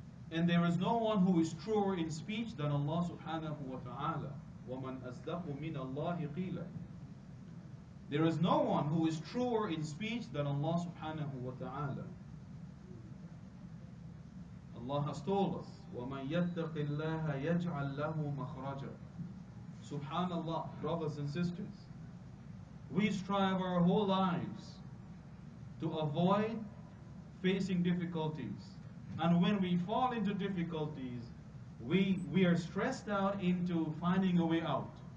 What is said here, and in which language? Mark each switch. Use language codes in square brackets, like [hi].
[en] And there is no one who is truer in speech than Allah subhanahu wa ta'ala. [ar] وَمَنْ أَصْدَقُ مِنَ اللَّهِ قِيلًا. [en] There is no one who is truer in speech than Allah subhanahu wa ta'ala. Allah has told us, [ar] وَمَنْ يَتَّقِ اللَّهَ يَجْعَلْ لَهُ مَخْرَجًا. [en] Subhanallah, brothers and sisters, we strive our whole lives to avoid facing difficulties. And when we fall into difficulties, we are stressed out into finding a way out.